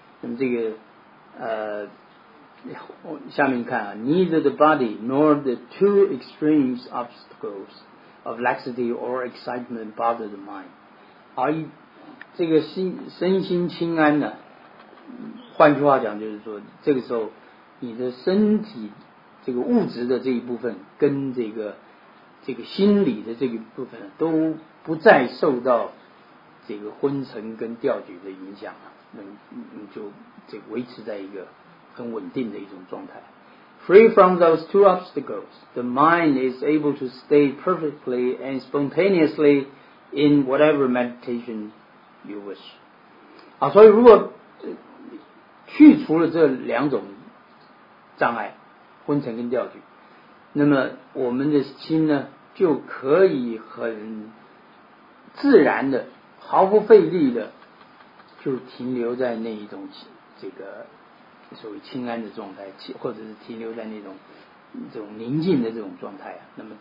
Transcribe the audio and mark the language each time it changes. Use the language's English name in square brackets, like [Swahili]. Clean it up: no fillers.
[Chinese] 那么这个下面看啊 [English] ，neither the body nor the two extreme obstacles of laxity or excitement bother the mind， [Chinese] 这个身心清安呢，换句话讲就是说，这个时候你的身体这个物质的这一部分跟这个心理的这一部分都不再受到这个昏沉跟调举的影响了，能就这个维持在一个很稳定的一种状态。 [English] Free from those two obstacles, the mind is able to stay perfectly and spontaneously in whatever meditation you wish. [Chinese] 啊，所以如果去除了这两种障碍，昏沉跟调举，那么我们的心呢，就可以很自然的、毫不费力的，就停留在那一种这个所谓清安的状态，或者是停留在那种这种宁静的这种状态啊。